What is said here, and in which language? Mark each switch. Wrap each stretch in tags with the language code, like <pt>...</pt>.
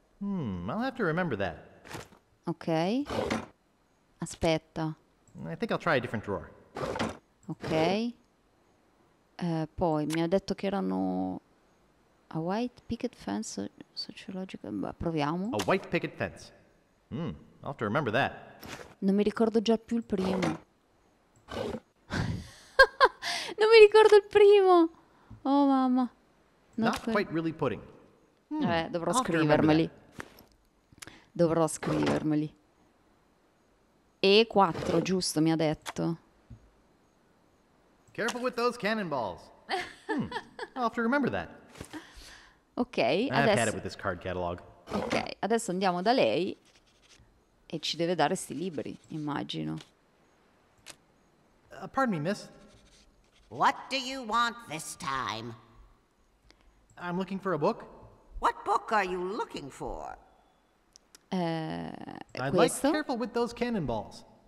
<en>I'll have to remember that.</en> <it>Ok. Aspetta.</it> <en>I think I'll try a different drawer. Ok.</en> <it>Poi mi ha detto che erano</it> <en>a white picket fence</en> <it>sociologica. Proviamo.</it> <en>A white picket fence. I'll have to remember that.</en> <it>Non mi ricordo già più il primo. Non mi ricordo il primo. Oh mamma.</it> <en>Not quite really pudding.</en> <it>Dovrò scrivermeli. Dovrò scrivermeli. E 4, giusto, mi ha detto.</it> <en>Careful with those cannonballs. I'll have to remember that. Ok,</en> <it>adesso...</it> <en>I've had it with this card catalog.</en> <it>Ok, adesso andiamo da lei e ci deve dare sti libri, immagino.</it> <en>Pardon me, miss. What do you want this time? I'm looking for a book. What book are you looking for? I'd</en> <it>questo?</it> <en>Like careful with those cannonballs.</en>